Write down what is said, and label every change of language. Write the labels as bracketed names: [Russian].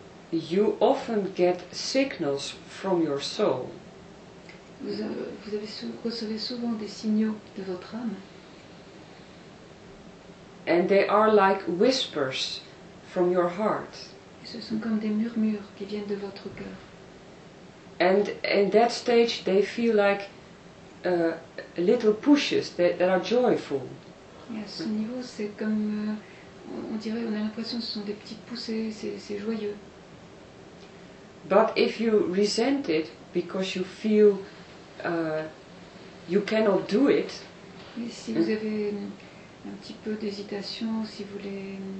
[English] You often get signals from your soul. [French] Vous recevez souvent des signaux de votre âme. [English] And they are like whispers from your heart. [French] Ce sont comme des murmures qui viennent de votre cœur. [English] And in that stage, they feel like little pushes that are joyful. [French] Et à ce niveau, c'est comme on a l'impression que ce sont des petites poussées, c'est joyeux. [English] But if you resent it because you feel you cannot do it. [French] Et si vous avez un petit peu d'hésitation, si vous voulez.